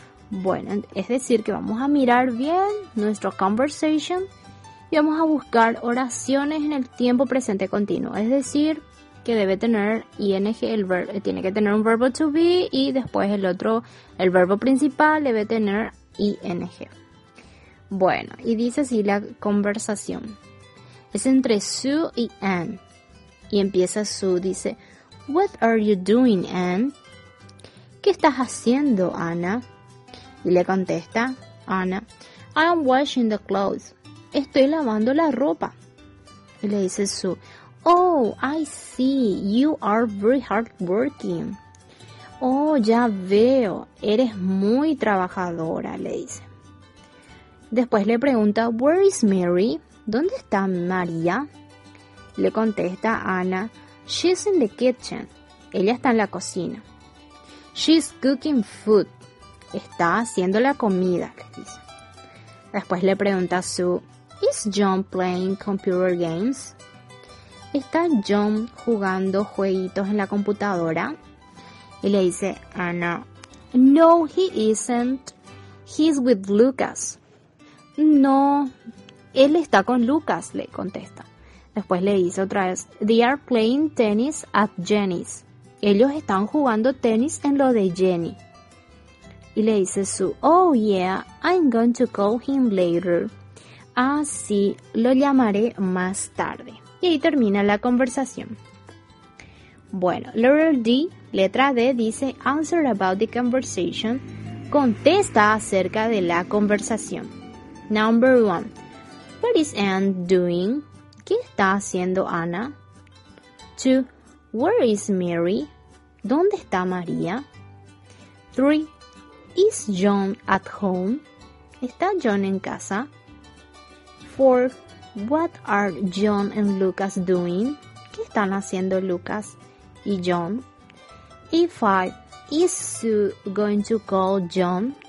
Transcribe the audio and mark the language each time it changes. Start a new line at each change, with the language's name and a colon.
Spanish: Bueno, es decir, que vamos a mirar bien nuestro conversation y vamos a buscar oraciones en el tiempo presente continuo. Es decir, que debe tener ing, el verbo, tiene que tener un verbo to be, y después el otro, el verbo principal, debe tener ing. Bueno, y dice así la conversación. Es entre Sue y Anne. Y empieza Sue, dice,
English: what are you doing, Anne?
Spanish: ¿Qué estás haciendo, Anna? Y le contesta, Anna,
English: I'm washing the clothes.
Spanish: Estoy lavando la ropa. Y le dice Sue,
English: oh, I see, you are very hardworking.
Spanish: Oh, ya veo, eres muy trabajadora, le dice. Después le pregunta,
English: where is Mary?
Spanish: ¿Dónde está María? Le contesta Anna,
English: she's in the kitchen.
Spanish: Ella está en la cocina.
English: She's cooking food.
Spanish: Está haciendo la comida, le dice. Después le pregunta Sue,
English: is John playing computer games?
Spanish: ¿Está John jugando jueguitos en la computadora? Y le dice Anna,
English: no, he isn't. He's with Lucas.
Spanish: No, él está con Lucas, le contesta. Después le dice otra vez,
English: they are playing tennis at Jenny's.
Spanish: Ellos están jugando tenis en lo de Jenny. Y le dice Sue,
English: oh yeah, I'm going to call him later.
Spanish: Ah, sí, lo llamaré más tarde. Y ahí termina la conversación. Bueno, letra D dice,
English: answer about the conversation.
Spanish: Contesta acerca de la conversación.
English: Number one, what is Anne doing?
Spanish: ¿Qué está haciendo Anna?
English: Two, where is Mary?
Spanish: ¿Dónde está María?
English: Three, is John at home?
Spanish: ¿Está John en casa?
English: Four, what are John and Lucas doing?
Spanish: ¿Qué están haciendo Lucas y John? Y 5.
English: Is Sue going to call John?